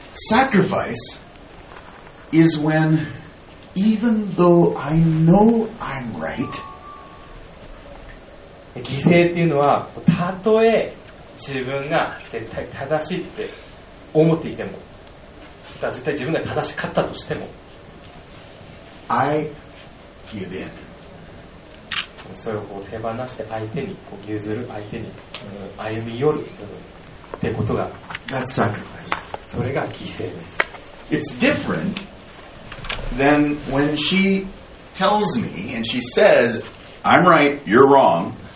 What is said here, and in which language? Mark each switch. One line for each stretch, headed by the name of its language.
English: Sacrifice is when even though I know I'm right,
Japanese: 犠牲っていうのはたとえ自分が絶対正しいって思っていても、だ絶対自分が正しかったとしても、
English: I give in、
Japanese: それをこう手放して相手にこう譲る、相手に歩み寄るってことが、
English: That's sacrifice。
Japanese: それが犠牲です。
English: It's different than when she tells me and she says I'm right, you're wrong。